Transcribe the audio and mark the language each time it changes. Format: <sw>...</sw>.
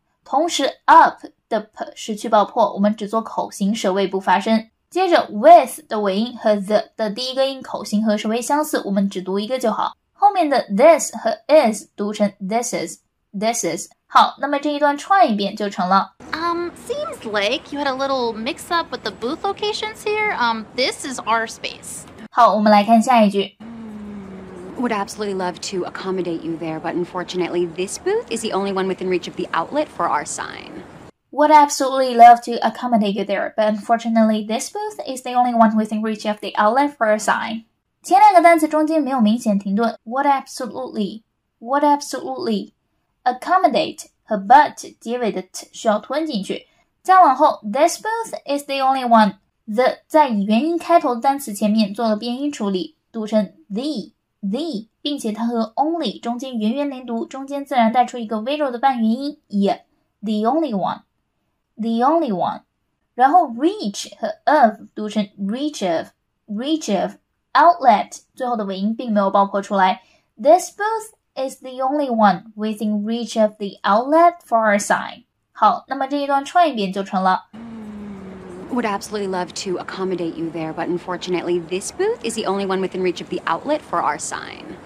<zh>同时 up 的 p 是去爆破，我们只做口型，舌位不发声。接着 with 的尾音和 the 的第一个音口型和舌位相似，我们只读一个就好。后面的 this 和 is 读成 this is.</zh> <en>This is.</en> <zh>好那么这一段串一遍就成了。</zh> <en>Seems like you had a little mix up with the booth locations here. This is our space.</en> <zh>好我们来看下一句。</zh> <en>Would absolutely love to accommodate you there, but unfortunately this booth is the only one within reach of the outlet for our sign. Would absolutely love to accommodate you there, but unfortunately this booth is the only one within reach of the outlet for our sign.</en> <zh>前两个单词中间没有明显停顿。</zh> <en>Would absolutely. Would absolutely.</en> <zh>Accommodate 和 but 结尾的 t 需要吞进去。再往后 ，this booth is the only one. The 在以元音开头的单词前面做了变音处理，读成 the， 并且它和 only 中间圆圆连读，中间自然带出一个微弱的半元音 ，</zh> <en>the only one，the only one。</en> <zh>然后 reach 和 of 读成 reach of。Outlet 最后的尾音并没有爆破出来。</zh> <en>This booth. Is the only one within reach of the outlet for our sign.</en> <zh>好，那么这一段串一遍就成了。</zh> <en>Would absolutely love to accommodate you there, but unfortunately, this booth is the only one within reach of the outlet for our sign.</en>